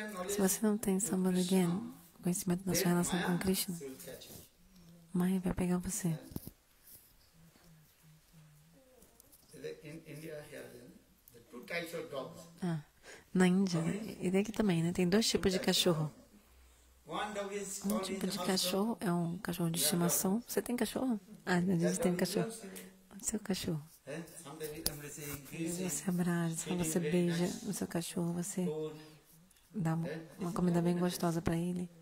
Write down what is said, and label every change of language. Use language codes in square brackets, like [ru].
[pt] Se você não tem Sambandha Gyan, conhecimento da sua relação com Krishna, Maya vai pegar você. [en] In India, here, the two types of dogs. [pt] Ah, Na Índia. E tem aqui também, né? Tem dois tipos de cachorro. Um tipo de cachorro é um cachorro de estimação. Você tem cachorro? Ah, a gente tem cachorro. O seu cachorro. Você abraça, você beija o seu cachorro, você dá uma comida bem gostosa para ele.